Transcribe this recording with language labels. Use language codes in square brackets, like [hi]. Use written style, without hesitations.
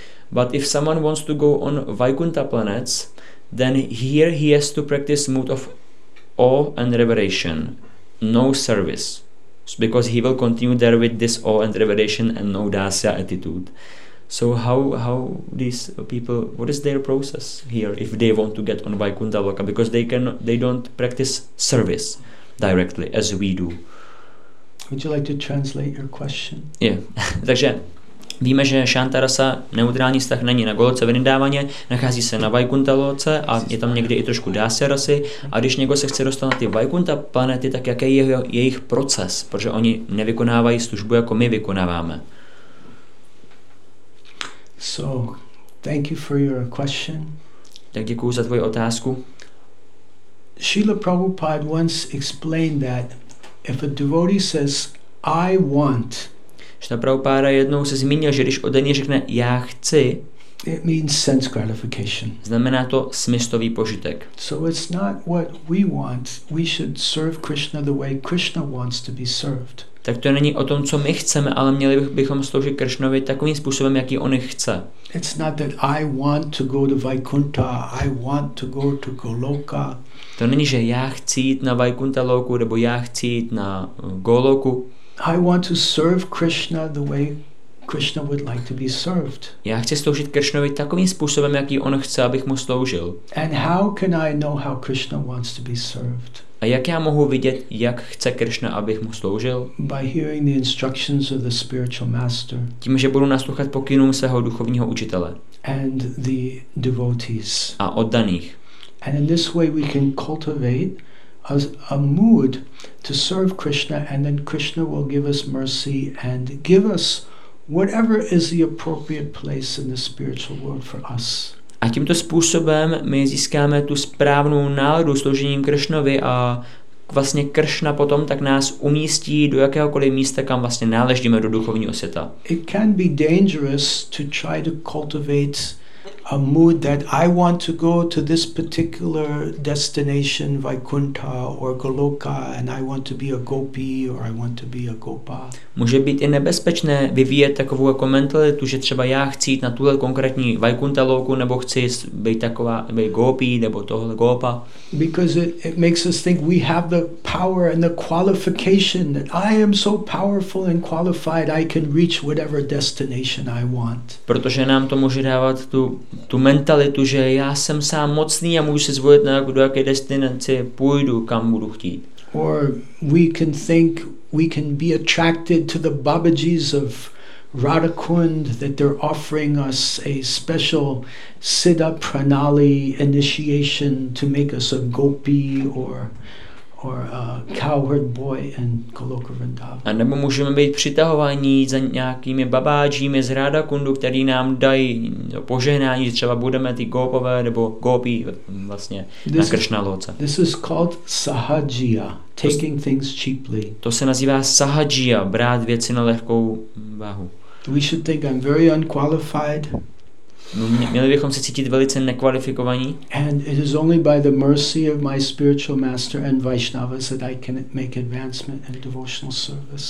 [en] But if someone wants to go on Vaikuntha planets, then here he has to practice mood of awe and reveration, no service, because he will continue there with this awe and reveration and no dasya attitude. So how these people, what is their process here if they want to get on Vaikuntha Loka, because they don't practice service directly as we do. Would you like to translate your question? Yeah. [cs] Takže víme, že Shantarasa, neutrální vztah, není na Goloce Vrindávaně, nachází se na Vaikuntha Loce a je tam někdy i trošku Dasya Rasy. A když někdo se chce dostat na ty Vaikuntha planety, tak jaký je jejich proces? Protože oni nevykonávají službu, jako my vykonáváme. [en] So, thank you for your question. [cs] Tak děkuju za tvoji otázku. [en] Srila Prabhupada once explained that if a devotee says, I want, [cs] Šta Prabhupáda jednou se zmínil, že když oddaný řekne já chci, [en] It means sense gratification. [cs] Znamená to smyslový požitek. [en] So it's not what we want. We should serve Krishna the way Krishna wants to be served. [cs] Tak to není o tom, co my chceme, ale měli bychom sloužit Krishnovi takovým způsobem, jaký on chce. [en] It's not that I want to go to Vaikuntha, I want to go to Goloka. [cs] To není, že já chci jít na Vaikuntha Loku, nebo já chci jít na Goloku. [en] I want to serve Krishna the way Krishna would like to be served. [cs] Já chci sloužit Krishnovi takovým způsobem, jaký on chce, abych mu sloužil. [en] And how can I know how Krishna wants to be served? [cs] A jak já mohu vidět, jak chce Krishna, abych mu sloužil? [en] By hearing the instructions of the spiritual master. [cs] Tím, že budu naslouchat pokynům svého duchovního učitele. [en] And the devotees. [cs] A oddaných. [en] And in this way we can cultivate as a mood to serve Krishna, and then Krishna will give us mercy and give us whatever is the appropriate place in the spiritual world for us. [cs] A tímto způsobem my získáme tu správnou náladu sloužením Krishnovi a vlastně Krishna potom tak nás umístí do jakéhokoliv místa, kam vlastně náležíme do duchovního světa. [en] It can be dangerous to try to cultivate a mood that I want to go to this particular destination, Vaikuntha or Goloka, and I want to be a gopi or I want to be a gopa. [cs] Může být i nebezpečné vyvíjet takovou jako mentalitu, že třeba já chci jít na tuhle konkrétní Vaikuntha Loku, nebo chci být taková, být gopi, nebo tohle gopa. [en] Because it makes us think we have the power and the qualification that I am so powerful and qualified I can reach whatever destination I want. [cs] Protože nám to může dávat tu mentalitu, že já jsem sám mocný a můžu se zvolit, na do jaké destinace půjdu, kam budu chtít. [en] Or we can think we can be attracted to the Babaji's of Radhakund, that they're offering us a special Siddha Pranali initiation to make us a gopi or a cowherd boy in Goloka Vrindavan. [cs] A nebo můžeme být přitahováni za nějakými babáčími z Radhakundu, který nám dají požehnání, že třeba budeme ty gopové nebo gopi vlastně na Krishna loce. [en] This is called sahajiya, taking things cheaply. [cs] To se nazývá sahajiya, brát věci na lehkou váhu. [en] We should think I'm very unqualified. [cs] Měli bychom se cítit velice nekvalifikovaní. [en] And it is only by the mercy of my spiritual master and Vaishnavas that I can make advancement in devotional service.